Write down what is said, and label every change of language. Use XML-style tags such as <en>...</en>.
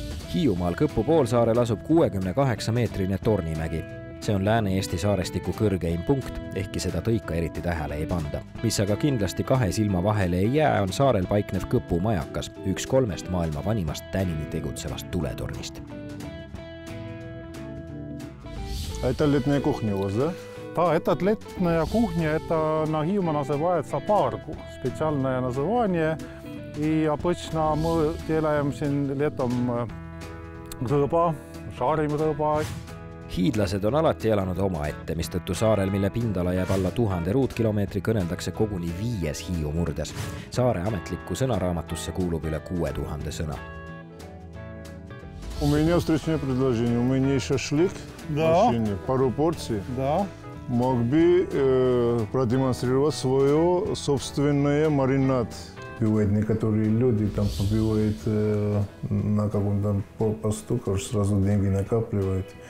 <et>Hiiumaal Kõppu poolsaarel asub 68 meetrine tornimägi. See on Lääne-Eesti saarestiku kõrgeim punkt, ehkki seda tõika eriti tähele ei panda. Mis aga kindlasti kahe silma vahele ei jää, on saarel paiknev Kõppu majakas, üks kolmest maailma vanimast tänini tegutsevast tuletornist.</et> <ru>Это летняя кухня у вас, да? Да, это летняя кухня, это на Хиума называется парку, специальное название. И обычно мы делаем летом рыба, жарим рыба.</ru> <et>Hiidlased on alati elanud oma ette, mistõttu saarel, mille pindala jääb alla 1000 ruutkilomeetri, kõneldakse koguni viies hiiumurdes. Saare ametliku sõnaraamatusse kuulub üle 6000 sõna.</et> <ru>У меня встречное предложение. У меня еще шлик да. Мужчине, пару порций. Да. Мог бы продемонстрировать свое собственное маринад. Бывают некоторые люди, там побивают на каком-то посту, кажется, сразу деньги накапливают.</ru>